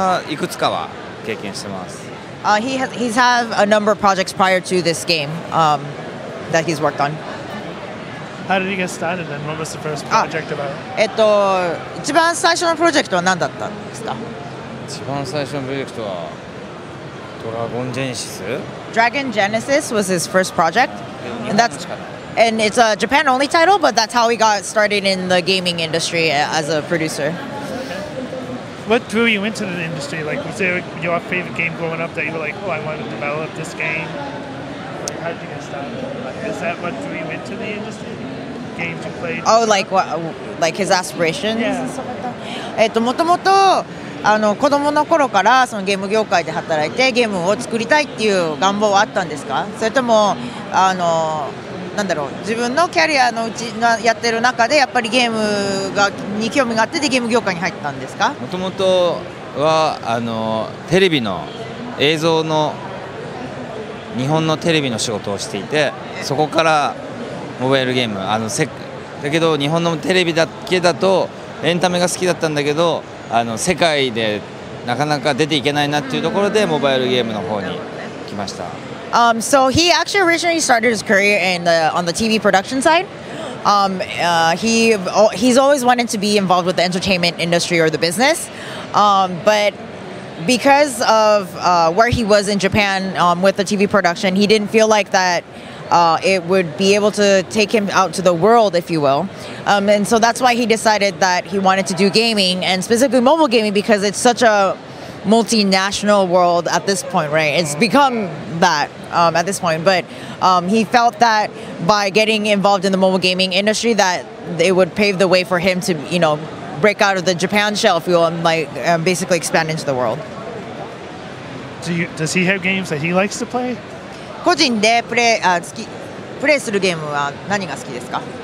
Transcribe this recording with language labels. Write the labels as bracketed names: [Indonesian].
[Japanese] いくつかは経験してます。 [English] He's had a number of projects prior to this game, that he's worked on. How did he get started then? What was the first project about? [Japanese] 一番最初のプロジェクトは何だったんですか。一番最初のプロジェクトはドラゴンジェネシス。 [English] Dragon Genesis was his first project. And that's... And it's a Japan-only title, but that's how he got started in the gaming industry as a producer. Okay. What drew you into the industry? Like, was there your favorite game growing up that you were like, oh, I want to develop this game? How did you get started? Like, is that what drew you into the industry? Games you played? Oh, like, what, like his aspirations? Yeah. [Japanese] もともと子供の頃からそのゲーム業界で働いてゲームを作りたいっていう願望はあったんですか？それとも、なんだろう、自分のキャリアのうちがやってる中でやっぱりゲームがに興味があってでゲーム業界に入ったんですか？もともとはテレビの映像の日本のテレビの仕事をしていて、そこからモバイルゲームだけど日本のテレビだけだとエンタメが好きだったんだけど世界でなかなか出ていけないなっていうところでモバイルゲームの方に来ました。 [English] So he actually originally started his career on the TV production side. He's always wanted to be involved with the entertainment industry or the business. But because of where he was in Japan with the TV production, he didn't feel like that it would be able to take him out to the world, if you will. And so that's why he decided that he wanted to do gaming, and specifically mobile gaming, because it's such a... multinational world at this point, right? It's become that at this point, but he felt that by getting involved in the mobile gaming industry that it would pave the way for him to, you know, break out of the Japan shell, if you will, and like basically expand into the world. Does he have games that he likes to play? [Japanese] 個人でプレイするゲームは何が好きですか?